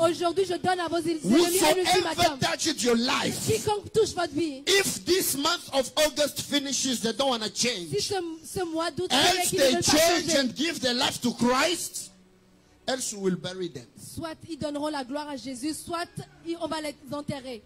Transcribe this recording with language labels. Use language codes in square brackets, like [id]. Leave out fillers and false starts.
[fr] Aujourd'hui je donne à vos ennemis un ultimatum. Quiconque touche votre vie. [en] If this month of August finishes, they don't want to change. [fr] Si ce mois d'août [en] else they change and give their life to Christ, else we will bury them. [fr] Soit ils donneront la gloire à Jésus, soit on va les enterrer.